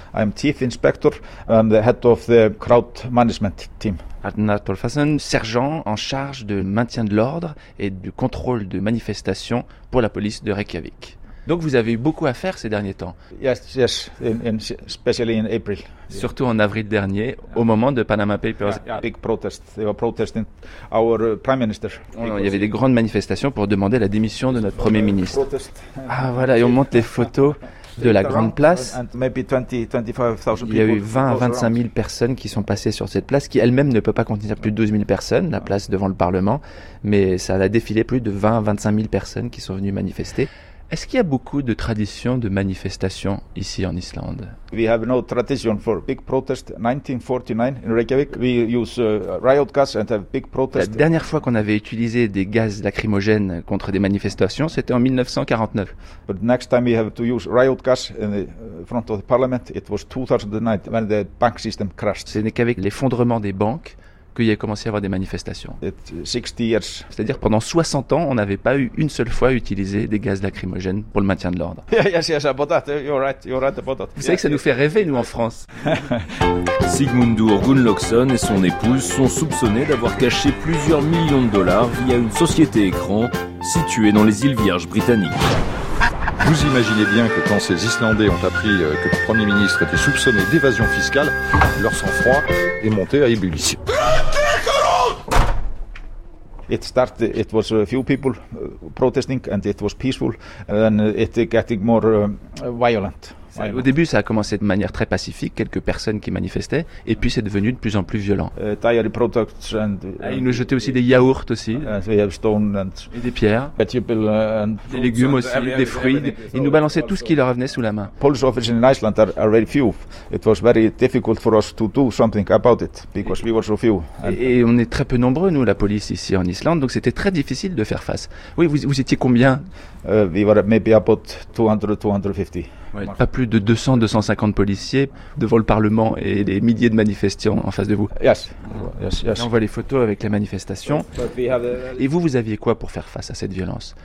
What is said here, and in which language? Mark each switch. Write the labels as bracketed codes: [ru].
[en] I'm chief inspector and the head of the crowd management team. [fr] Arnar Tolfason, sergent en charge de maintien de l'ordre et du contrôle de manifestations pour la police de Reykjavik. Donc vous avez eu beaucoup à faire ces derniers temps. [en] Yes, in especially in April. [fr] Surtout en avril dernier, yeah. Au moment de Panama Papers. [en] Yeah, big protest. They were protesting our prime minister. [fr] Il y avait des grandes manifestations pour demander la démission de notre premier ministre. [en] Protest. [fr] Ah voilà, et on monte les photos de la grande place. [en] Maybe 20-25,000 [fr] people. Il y a eu 20-25,000 personnes qui sont passées sur cette place, qui elle-même ne peut pas contenir plus de 12,000 personnes, la place devant le Parlement, mais ça a défilé plus de 20-25,000 personnes qui sont venues manifester. Est-ce qu'il y a beaucoup de traditions de manifestations ici en Islande? [en] We have no tradition for big protest 1949 in Reykjavik. We use riot gas and have big protest. [fr] La dernière fois qu'on avait utilisé des gaz lacrymogènes contre des manifestations, c'était en 1949. [en] But next time we have to use riot gas in the front of the parliament, it was 2009 when the bank system crashed. [fr] Ce n'est qu'avec l'effondrement des banques qu'il y a commencé à avoir des manifestations. [en] 60 years. [fr] C'est-à-dire pendant 60 ans, on n'avait pas eu une seule fois utilisé des gaz lacrymogènes pour le maintien de l'ordre. [en] Yes, about that. You're right about that. [fr] Vous savez que ça nous fait rêver, nous, en France. Sigmundur Gunnlaugsson et son épouse sont soupçonnés d'avoir caché plusieurs millions de dollars via une société écran située dans les îles Vierges britanniques. Vous imaginez bien que quand ces Islandais ont appris que le Premier ministre était soupçonné d'évasion fiscale, leur sang-froid est monté à ébullition. [en] It started. It was a few people protesting, and it was peaceful. And then it getting more violent. [fr] Au début, ça a commencé de manière très pacifique, quelques personnes qui manifestaient, et puis c'est devenu de plus en plus violent. [en] Dairy products and [fr] ils nous jetaient aussi des yaourts aussi. [en] They have stone and [fr] et des pierres. [en] Vegetable and [fr] des légumes aussi, [en] and [fr] des fruits. Ils nous balançaient tout ce qui leur venait sous la main. [en] Police officers in Iceland are very few. It was very difficult for us to do something about it because we were so few. [fr] Et on est très peu nombreux nous, la police ici en Islande, donc c'était très difficile de faire face. Oui, vous étiez combien? [en] We were maybe about 200-250. [fr] Ouais, pas plus de 200-250 policiers devant le Parlement et des milliers de manifestants en face de vous. [en] Yes. [fr] Là, on voit les photos avec la manifestation. Et vous, vous aviez quoi pour faire face à cette violence?